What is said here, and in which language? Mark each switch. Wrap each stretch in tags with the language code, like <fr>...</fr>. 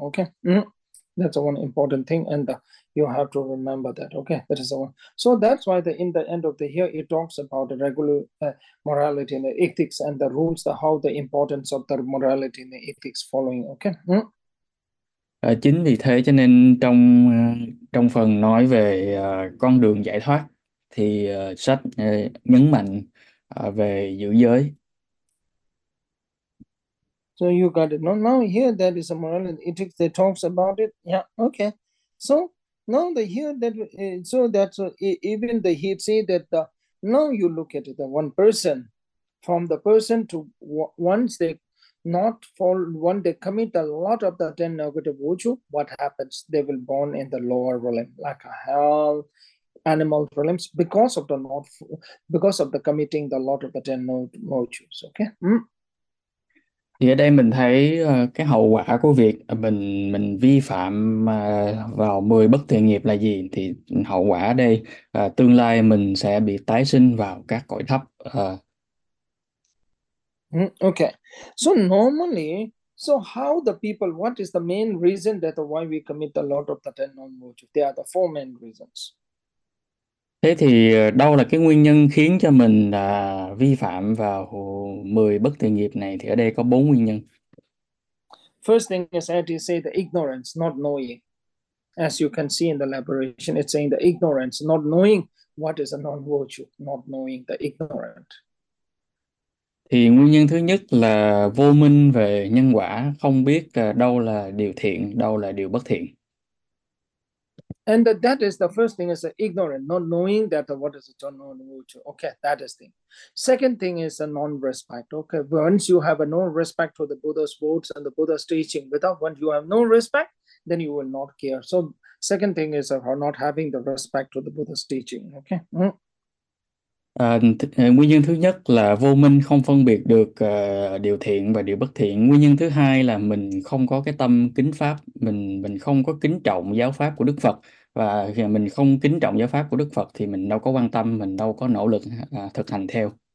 <en>Okay, That's one important thing, and you have to remember that. Okay, that is the one. So that's why in the end of the here it talks about the regular morality and the ethics and the rules, how the importance of the morality and the ethics following. Okay.</en> <vi>Chính vì thế cho nên trong trong phần nói về con đường giải thoát thì sách nhấn mạnh về giữ giới.</vi> <en>So you got it. Now here that is a moral and ethics. They talks about it. Yeah. Okay. So now the here that so that's even the he say that the now you look at it, the one person from the person to once they not fall when they commit a lot of the 10 negative virtue, what happens? They will born in the lower realm like a hell, animal realms because of the committing the lot of the 10 negative virtues. Okay.</en> <vi>Thì ở đây mình thấy cái hậu quả của việc mình vi phạm vào 10 bất thiện nghiệp là gì, thì hậu quả ở đây tương lai mình sẽ bị tái sinh vào các cõi thấp.</vi> <en>Okay, so normally, so how the people, what is the main reason that why we commit a lot of the 10 non-virtue? There are the four main reasons.</en> <vi>Thế thì đâu là cái nguyên nhân khiến cho mình vi phạm vào 10 bất thiện nghiệp này, thì ở đây có 4 nguyên nhân.</vi> <en>First thing is, as you say, the ignorance, not knowing. As you can see in the elaboration, it's saying the ignorance, not knowing what is a non-virtue, not knowing the ignorant.</en> <vi>Thì nguyên nhân thứ nhất là vô minh về nhân quả, không biết đâu là điều thiện, đâu là điều bất thiện.</vi> <en>And that is the first thing is ignorant, not knowing that what is a non-virtue. Okay, that is thing. Second thing is a non-respect. Okay, once you have a non-respect for the Buddha's words and the Buddha's teaching, without when you have no respect, then you will not care. So second thing is not having the respect to the Buddha's teaching. Okay.</en> <vi>Nguyên nhân thứ nhất là vô minh, không phân biệt được điều thiện và điều bất thiện. Nguyên nhân thứ hai là mình không có cái tâm kính pháp, mình không có kính trọng giáo pháp của Đức Phật, và khi mình không kính trọng giáo pháp của Đức Phật thì mình đâu có quan tâm, mình đâu có nỗ lực thực hành theo.</vi>